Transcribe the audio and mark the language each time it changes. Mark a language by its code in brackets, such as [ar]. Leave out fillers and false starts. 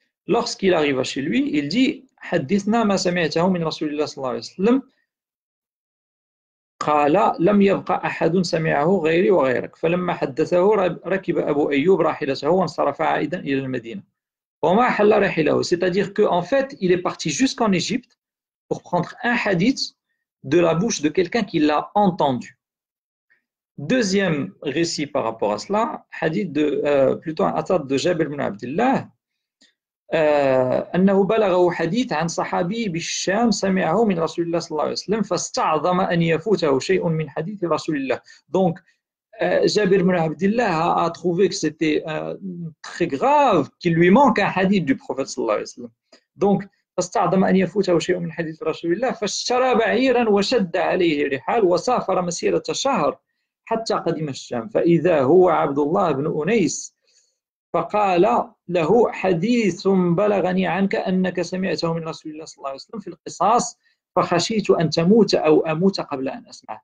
[fr] Lorsqu'il arriva chez lui, il dit [ar] « Hadithna ma sami'tahu min Rasulillah sallallahu alayhi wa sallam » قال لم يبقى أحد سمعه غيري وغيرك فلما حدثه ركب أبو أيوب راحلته وانصرف عائدا إلى المدينة وما حل راحله. [fr] C'est-à-dire que en fait il est parti jusqu'en Égypte pour prendre un hadith de la bouche de quelqu'un qui l'a entendu. Deuxième récit par rapport à cela, hadith de plutôt un atad de Jabir ibn Abdullah [ar] أنه بلغه حديث عن صحابي بالشام سمعه من رسول الله صلى الله عليه وسلم فاستعظم أن يفوته شيء من حديث رسول الله. [fr] Donc Jabir ibn Abdullah a trouvé que c'était très grave qu'il lui manque un hadith du prophète [ar] صلى الله عليه وسلم. Donc فاستعظم أن يفوته شيء من حديث رسول الله فاشترى بعيرا وشد عليه رحال وسافر مسيرة شهر حتى قدم الشام فإذا هو عبد الله بن أنيس فقال له حديث بلغني عنك أنك سمعته من رسول الله صلى الله عليه وسلم في القصاص فخشيت أن تموت أو أموت قبل أن أسمع.